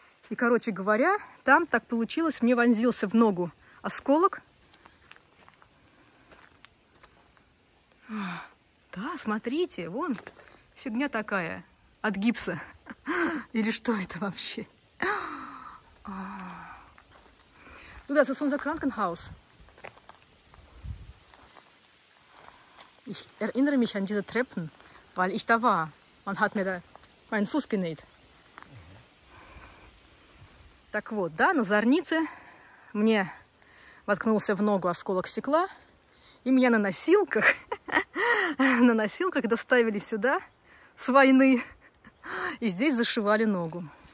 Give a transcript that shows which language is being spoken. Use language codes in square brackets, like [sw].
[ru] И, короче говоря, там так получилось, мне вонзился в ногу осколок. Да, смотрите, вон фигня такая от гипса. Или что это вообще? Ну да, [de] das ist unser Krankenhaus. Ich erinnere mich an diese Treppen, weil ich da war. Man hat mir da meinen Fuß genäht. [ru] Так вот, да, на Зорнице мне воткнулся в ногу осколок стекла, и меня на носилках доставили сюда с войны, и здесь зашивали ногу.